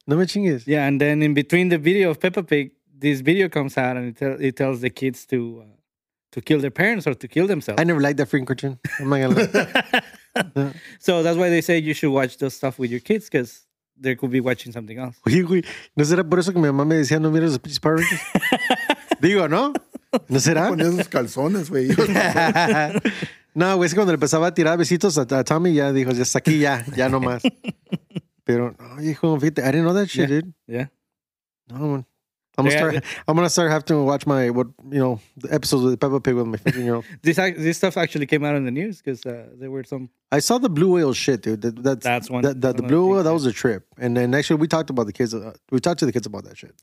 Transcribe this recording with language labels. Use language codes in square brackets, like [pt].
[en] No, my thing is. Yeah, and then in between the video of Peppa Pig, this video comes out and it tells the kids to kill their parents or to kill themselves. I never liked that freaking cartoon. Oh my god. So that's why they say you should watch those stuff with your kids because they could be watching something else. [es] Oye, güey, ¿no será por eso que mi mamá me decía no mires los pinches Power Rangers? Digo, ¿no? ¿No será? Ponía sus calzones, güey. No, güey, es que cuando le empezaba a tirar besitos a Tommy ya dijo, ya está aquí, ya no más. Pero, no, hijo, fíjate, [en] I didn't know that shit, yeah. Dude. Yeah. No, man. I'm gonna start having to watch the episodes of Peppa Pig with my 15-year-old. this stuff actually came out in the news because there were some. I saw the blue whale shit, dude. That's one. The blue whale, that was a trip. And then actually, we talked about the kids. We talked to the kids about that shit.